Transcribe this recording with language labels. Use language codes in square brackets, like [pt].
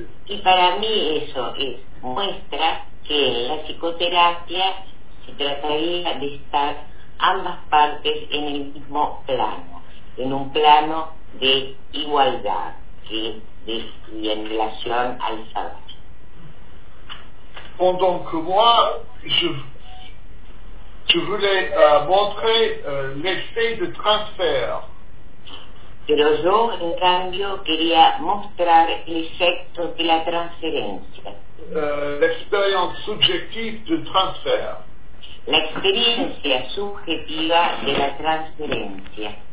[fr] Et pour moi, ça [es] muestra que la psychothérapie se trataría de estar ambas partes en el mismo plano, en un plano de igualdad y en relación al saber. [fr] Pendant que moi, je voulais montrer l'effet de transfert. [es] Pero yo, en cambio, quería mostrar el efecto de la transferencia. [fr] L'expérience subjective de transfert. [es] La experiencia subjetiva de la transferencia.